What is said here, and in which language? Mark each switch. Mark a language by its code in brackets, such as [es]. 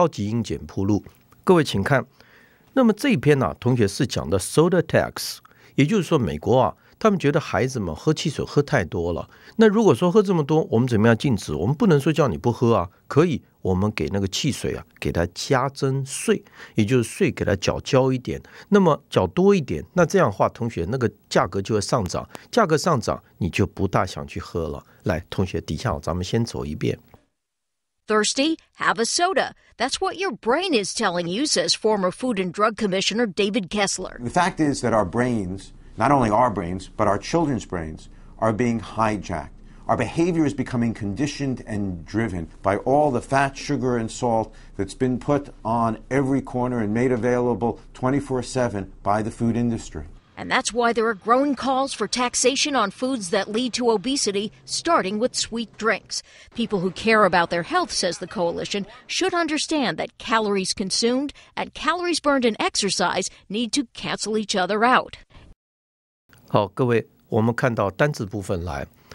[zh] 翻到今天的新闻英语来，各位，每个礼拜看这些最新的这些跟我们考试有关的，也就是说跟我们大家日常生活有关的这些主题啊，各位绝对能够增加大家第一个阅读能力，第二个同学你的听力，第三个同学去考试的时候，你不需要担心英文时事，全部都包括在我们这里来。我希望同学好好的为将来的中高级英检铺路。各位请看。那么这篇啊，同学是讲的soda tax，也就是说美国啊，他们觉得孩子们喝汽水喝太多了。那如果说喝这么多，我们怎么样禁止？我们不能说叫你不喝啊，可以，我们给那个汽水啊，给他加征税，也就是税给他缴交一点。那么缴多一点，那这样的话，同学那个价格就会上涨，价格上涨，你就不大想去喝了。来，同学底下，咱们先走一遍。 [en] Thirsty? Have a soda. That's what your brain is telling you, says former Food and Drug Commissioner David Kessler. The fact is that our brains, not only our brains, but our children's brains, are being hijacked. Our behavior is becoming conditioned and driven by all the fat, sugar, and salt that's been put on every corner and made available 24/7 by the food industry. And that's why there are growing calls for taxation on foods that lead to obesity, starting with sweet drinks. People who care about their health, says the coalition, should understand that calories consumed and calories burned in exercise need to cancel each other out. [zh] 好，各位，我们看到单字部分来。